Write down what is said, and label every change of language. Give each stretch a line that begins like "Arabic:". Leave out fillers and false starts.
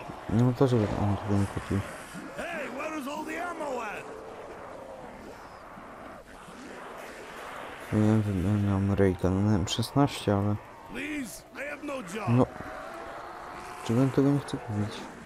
Polish: No to, żeby on tu nie kupił.
English: Hey, where is all the ammo at?
Polish: Nie wiem, ja miałem rejta na M16, ale...
English: Please, I have no job.
Polish: No. Czego on tego nie chce kupić?